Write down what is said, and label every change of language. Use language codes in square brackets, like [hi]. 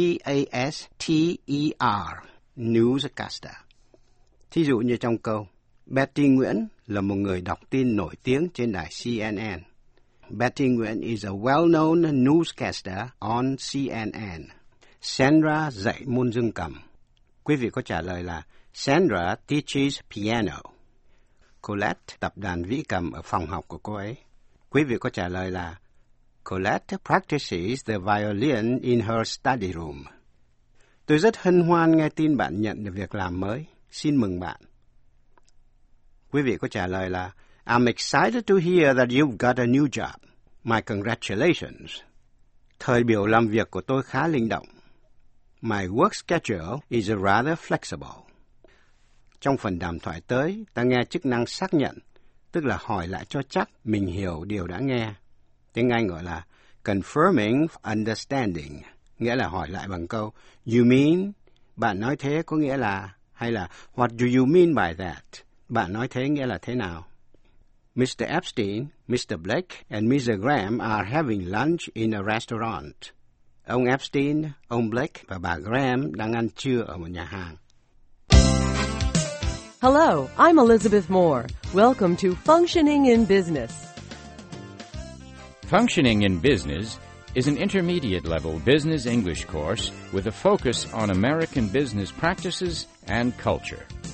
[en] N-E-W-S-C-A-S-T-E-R, newscaster. [vi] Thí dụ như trong câu, Betty Nguyễn là một người đọc tin nổi tiếng trên đài CNN. [en] Betty Nguyễn is a well-known newscaster on CNN. [vi] Sandra dạy môn dương cầm. Quý vị có trả lời là [en] Sandra teaches piano. [vi] Colette tập đàn vĩ cầm ở phòng học của cô ấy. Quý vị có trả lời là [en] Colette practices the violin in her study room. [vi] Tôi rất hân hoan nghe tin bạn nhận được việc làm mới. Xin mừng bạn. Quý vị có trả lời là [en] I'm excited to hear that you've got a new job. My congratulations. [vi] Thời biểu làm việc của tôi khá linh động. [en] My work schedule is rather flexible. [vi] Trong phần đàm thoại tới, ta nghe chức năng xác nhận, tức là hỏi lại cho chắc mình hiểu điều đã nghe. Tiếng Anh gọi là confirming understanding, nghĩa là hỏi lại bằng câu [en] You mean? [vi] Bạn nói thế có nghĩa là? Hay là [en] What do you mean by that? [vi] Bạn nói thế nghĩa là thế nào? [en] Mr. Epstein, Mr. Blake and Mr. Graham are having lunch in a restaurant. [vi] Ông Epstein, ông Blake và bà Graham đang ăn trưa ở một nhà hàng. [en] Hello, I'm Elizabeth Moore. Welcome to Functioning in Business. Functioning in Business is an intermediate level business English course with a focus on American business practices and culture.